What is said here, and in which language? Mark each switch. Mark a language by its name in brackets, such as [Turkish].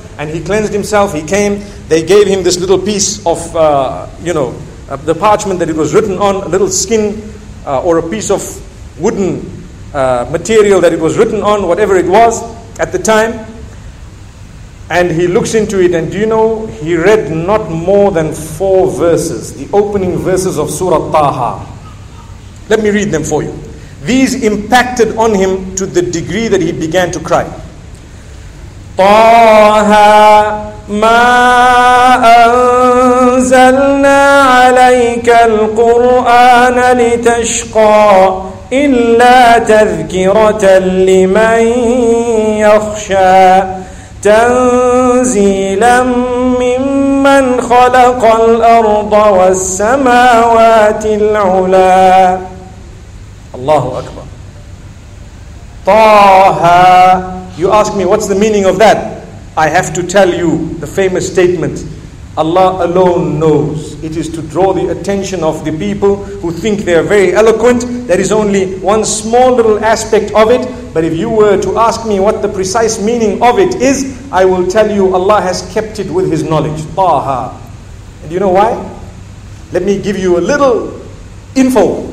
[English] And he cleansed himself, he came, they gave him this little piece of, the parchment that it was written on, a little skin, or a piece of wooden material that it was written on, whatever it was at the time. And he looks into it, and do you know, he read not more than four verses, the opening verses of Surah Taha. Let me read them for you. These impacted on him to the degree that he began to cry. [Arabic] طه ما أنزلنا عليك القرآن لتشقى إلا تذكرة لمن يخشى تنزيلا ممن خلق الأرض والسماوات العلى الله أكبر طه. [English] You ask me, what's the meaning of that? I have to tell you the famous statement, Allah alone knows. It is to draw the attention of the people who think they are very eloquent. There is only one small little aspect of it. But if you were to ask me what the precise meaning of it is, I will tell you Allah has kept it with His knowledge. Taha. And you know why? Let me give you a little info.